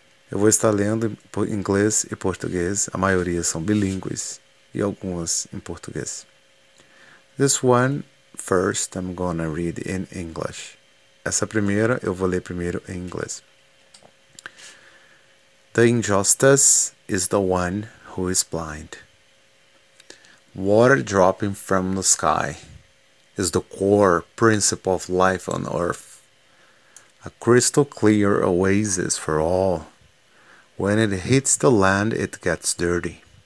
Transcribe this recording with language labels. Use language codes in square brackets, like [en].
[pt] Eu vou estar lendo em inglês e português, a maioria são bilíngues e algumas em português. [en] This one, first, I'm gonna read in English. [pt] Essa primeira eu vou ler primeiro em inglês. [en] The injustice is the one who is blind. Water dropping from the sky is the core principle of life on Earth. A crystal clear oasis for all. When it hits the land, it gets dirty.